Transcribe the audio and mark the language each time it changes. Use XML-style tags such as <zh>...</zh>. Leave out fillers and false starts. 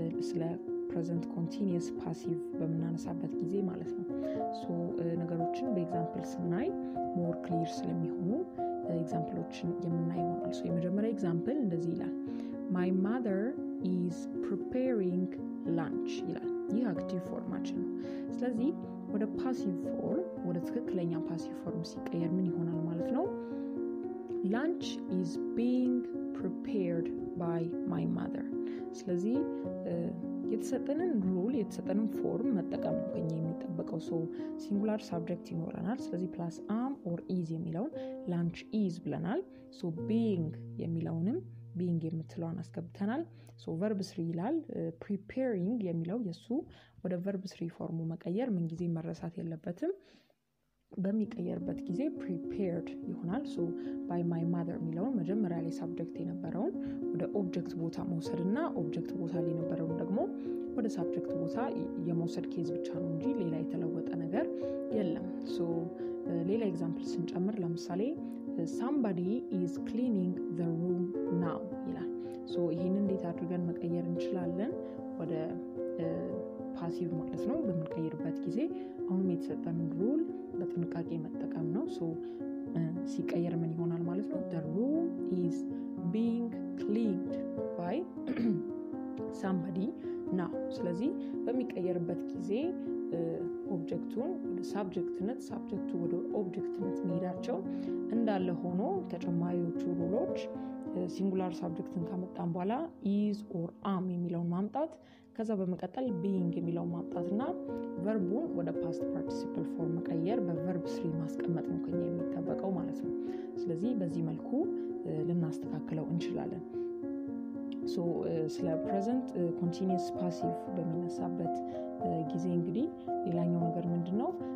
<am>ስለ present continuous passive በመናነሳበት ጊዜ ማለት ነው። ሶ ነገሮችን በኤግዛምፕል ስናይ more clear ስለሚሆኑ ኤግዛምፕሎችን የምናይ ይሆናል። ሶ የመጀመሪያ ኤግዛምፕል እንደዚህ ይላል</am> <en>my mother is preparing lunch</en> <am>ይላል። ይህ active formation ነው። ስለዚህ ወደ passive form ወደ ትክክለኛ passive form ሲቀየር ምን ይሆናል ማለት ነው?</am> <en>Lunch is being prepared by my mother.</en> <am>ስለዚ የተሰጠንን ሩል የተሰጠንን ፎርም መጠቀም ነው ከኛ የሚጠበቀው። ሶ ሲንጉላር ሳብጀክት ይኖረናል። ስለዚ plus am or is የሚለውን lunch is ብለናል። ሶ being የሚለውንም being የምትለውን አስገብተናል። ሶ verb 3 ይላል። preparing የሚለው የሱ ወደ verb 3 ፎርሙ መቀየር ምን ጊዜ መረሳት የለበትም። በሚቀየርበት ጊዜ prepared ይሆናል። so by my mother የሚለውን መጀመሪያ ላይ ሳብጀክት የነበረውን ወደ ኦብጀክት ቦታ መውሰድና ኦብጀክት ቦታ ላይ የነበረውን ደግሞ ወደ ሳብጀክት ቦታ የመውሰድ ኬዝ ብቻ ነው እንጂ ሌላ የተለወጠ ነገር የለም። so ሌላ ኤግዛምፕል ስንጨምር ለምሳሌ</am> <en>somebody is cleaning the room now</en> <am>ይላል። so ይሄን እንዴት አድርገን መቀየር እንችላለን ወደ ፓሲቭ ማለት ነው? በሚቀየርበት ጊዜ አሁን የተሰጠን ሩል በጥንቃቄ መጠቀም ነው። ሶ ሲቀየር ምን ይሆናል ማለት ነው?</am> <en>the room is being cleaned by somebody now.</en> <am>ስለዚህ በሚቀየርበት ጊዜ ኦብጀክቱን ወደ ሳብጀክትነት፣ ሳብጀክቱ ወደ ኦብጀክትነት መሄዳቸው እንዳለ ሆኖ ተጨማሪዎቹ ሩሎች ሲንጉላር ሳብጀክትን ካመጣን በኋላ is or am የሚለውን ማምጣት ከዛ በመቀጠል being የሚለውን ማምጣትና ቨርቡን ወደ past participle form መቀየር በverb 3 ማስቀመጥ ነው ከኛ የሚጠበቀው ማለት ነው። ስለዚህ በዚህ መልኩ ልናስተካክለው እንችላለን። so ስለ present continuous passive በሚነሳበት ጊዜ እንግዲህ ሌላኛው ነገር ምንድነው?</am>